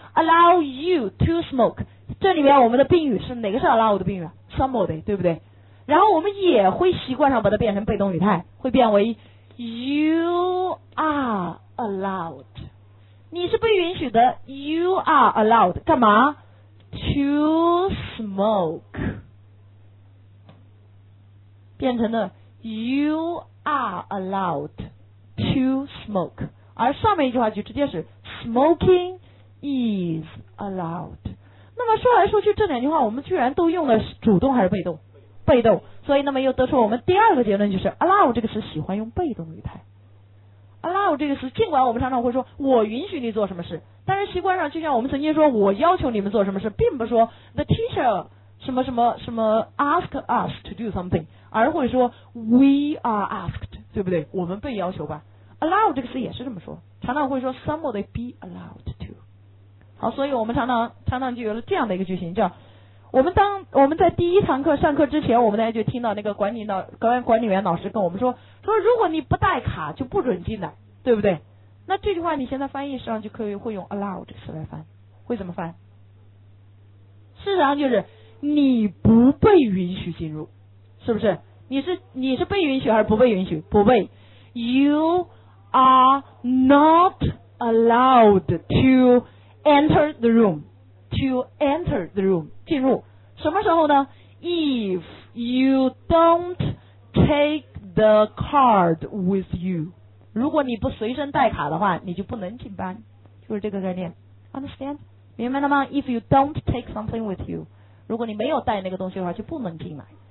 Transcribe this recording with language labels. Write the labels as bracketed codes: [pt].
[en] allow you to smoke， [zh] 这里面我们的宾语是哪个是 allow 的宾语？somebody， 对不对？然后我们也会习惯上把它变成被动语态，会变为 [en] you are allowed， [zh] 你是被允许的， [en] you are allowed [zh] 干嘛？ [en] To smoke， [zh] 变成了 [en] You are allowed to smoke， [zh] 而上面一句话就直接是 [en] Smoking is allowed。 [zh] 那么说来说去这两句话我们居然都用了主动还是被动？被动。所以那么又得出我们第二个结论，就是 allow 这个词喜欢用被动语态。 allow 这个词尽管我们常常会说我允许你做什么事，但是习惯上就像我们曾经说我要求你们做什么事，并不说 the teacher 什么什么什么 [en] ask us to do something， [zh] 而会说 [en] we are asked， [zh] 对不对？我们被要求吧。 allow 这个词也是这么说，常常会说 [en] somebody be allowed to。 [zh] 好，所以我们常常就有了这样的一个句型，叫我们在第一堂课上课之前，我们大家就听到那个管理员老师跟我们说如果你不带卡就不准进的，对不对？那这句话你现在翻译实际上就可以会用 allow 这个词来翻，会怎么翻？事实上就是你不被允许进入，是不是？你是被允许还是不被允许？不被。 [en] You are not allowed to enter the room， to enter the room， [zh] 进入什么时候呢？ [en] If you don't take the card with you， [zh] 如果你不随身带卡的话，你就不能进班，就是这个概念。 [en] Understand？ [zh] 明白了吗？ [en] If you don't take something with you， [zh] 如果你没有带那个东西的话，就不能进来。